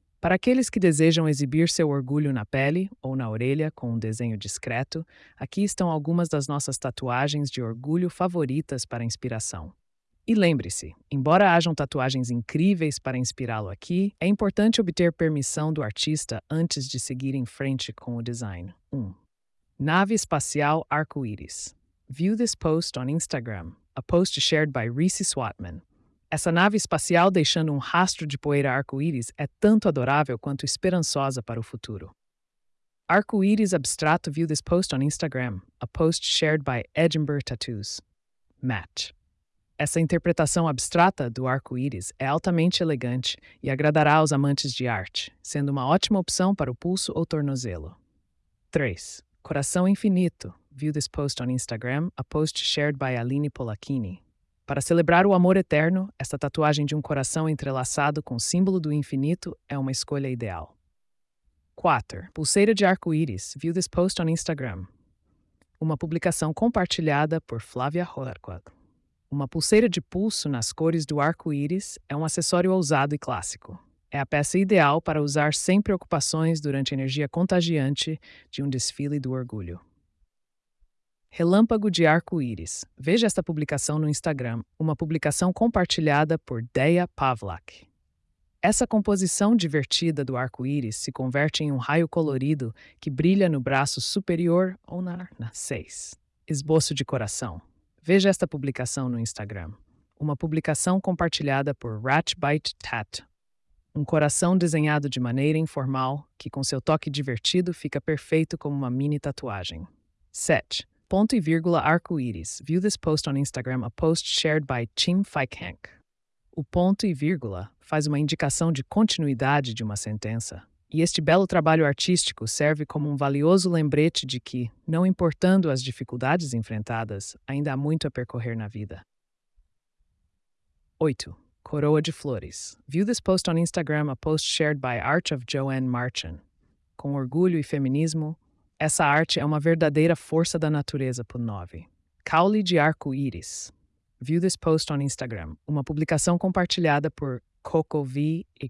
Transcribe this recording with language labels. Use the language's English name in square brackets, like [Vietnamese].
[Portuguese] Para aqueles que desejam exibir seu orgulho na pele ou na orelha com um desenho discreto, aqui estão algumas das nossas tatuagens de orgulho favoritas para inspiração. E lembre-se, embora hajam tatuagens incríveis para inspirá-lo aqui, é importante obter permissão do artista antes de seguir em frente com o design. 1. Nave espacial arco-íris. [English] View this post on Instagram, a post shared by Reese Swatman. [Portuguese] Essa nave espacial deixando um rastro de poeira arco-íris é tanto adorável quanto esperançosa para o futuro. Arco-íris abstrato, [English] view this post on Instagram, a post shared by Edinburgh Tattoos. Match. [Portuguese] Essa interpretação abstrata do arco-íris é altamente elegante e agradará aos amantes de arte, sendo uma ótima opção para o pulso ou tornozelo. 3. Coração infinito. [English] View this post on Instagram, a post shared by Aline Polacchini. [Portuguese] Para celebrar o amor eterno, esta tatuagem de um coração entrelaçado com o símbolo do infinito é uma escolha ideal. 4. Pulseira de arco-íris. [English] View this post on Instagram. [Portuguese] Uma publicação compartilhada por Flávia Horquad. Uma pulseira de pulso nas cores do arco-íris é um acessório ousado e clássico. É a peça ideal para usar sem preocupações durante a energia contagiante de um desfile do orgulho. Relâmpago de arco-íris. Veja esta publicação no Instagram, uma publicação compartilhada por Deia Pavlak. Essa composição divertida do arco-íris se converte em um raio colorido que brilha no braço superior ou na 6. Esboço de coração. Veja esta publicação no Instagram, uma publicação compartilhada por Ratbite Tat. Um coração desenhado de maneira informal, que com seu toque divertido fica perfeito como uma mini tatuagem. 7. Ponto e vírgula arco-íris. [English] View this post on Instagram, a post shared by Tim Feikhank. [Portuguese] O ponto e vírgula faz uma indicação de continuidade de uma sentença. E este belo trabalho artístico serve como um valioso lembrete de que, não importando as dificuldades enfrentadas, ainda há muito a percorrer na vida. 8. Coroa de flores. [English] View this post on Instagram, a post shared by Art of Joanne Marchand. [Portuguese] Com orgulho e feminismo, essa arte é uma verdadeira força da natureza. 9. Caule de arco-íris. [English] View this post on Instagram. [Portuguese] Uma publicação compartilhada por CocoVXGIENA.